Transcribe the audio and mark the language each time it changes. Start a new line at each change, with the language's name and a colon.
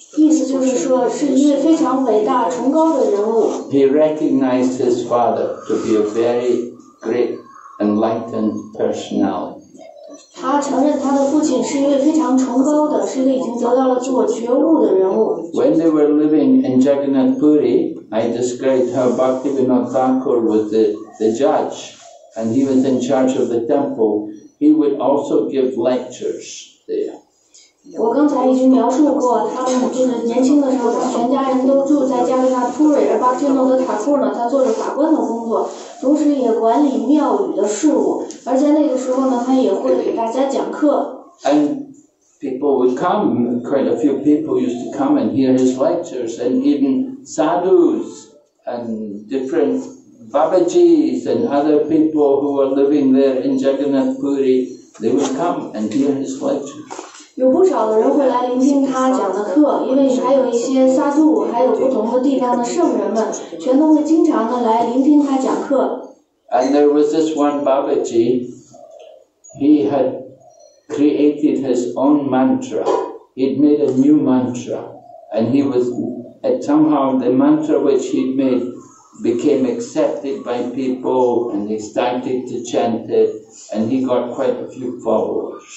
Chinese: 意思就是说，是一位非常伟大、崇高的人物。
English: He recognized his father to be a very great, enlightened personality.
Chinese: 他承认他的父亲是一位非常崇高的，是一个已经得到了自我觉悟的人物。
English: When they were living in Jagannath Puri, I described how Bhaktivinoda Thakur was the judge, and he was in charge of the temple. He would also give lectures there.
Chinese: 我刚才已经描述过，他们就是年轻的时候，全家人都住在加利纳普瑞，而巴基诺德塔库呢，他做着法官的工作，同时也管理庙宇的事务。而在那个时候呢，他也会给大家讲课。
English: And people would come, quite a few people used to come and hear his lectures, and even sadhus and different Babaji's and other people who were living there in Jagannath Puri, they would come and hear his lecture.
Chinese: 有不少的人会来聆听他讲的课，因为还有一些沙杜，还有不同的地方的圣人们，全都会经常的来聆听他讲课。
English: And there was this one Babaji, he had created his own mantra. He'd made a new mantra, and he was somehow the mantra which he'd made became accepted by people, and they started to chant it, and he got quite a few followers.